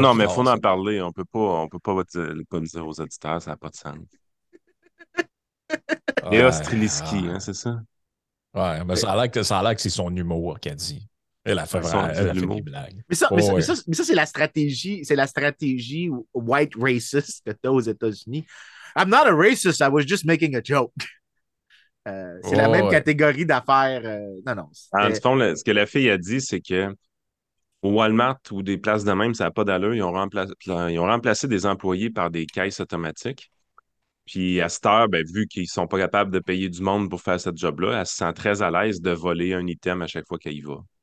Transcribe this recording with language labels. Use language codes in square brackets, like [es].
[fr] Non, mais il faut en parler. On peut pas dire aux auditeurs, ça n'a pas de sens. Léa Strelitzky, hein, c'est ça? Ouais, mais ça a l'air que c'est son humour qu'elle dit. Elle a fait des blagues. Mais ça, c'est la stratégie white racist que t'as aux États-Unis. [en] I'm not a racist, I was just making a joke. [fr] C'est la même catégorie d'affaires. Non. En fond, ce que la fille a dit, c'est que au Walmart ou des places de même, ça n'a pas d'allure. Ils ont remplacé des employés par des caisses automatiques. Puis à cette heure, ben, vu qu'ils ne sont pas capables de payer du monde pour faire ce job-là, elle se sent très à l'aise de voler un item à chaque fois qu'elle y va.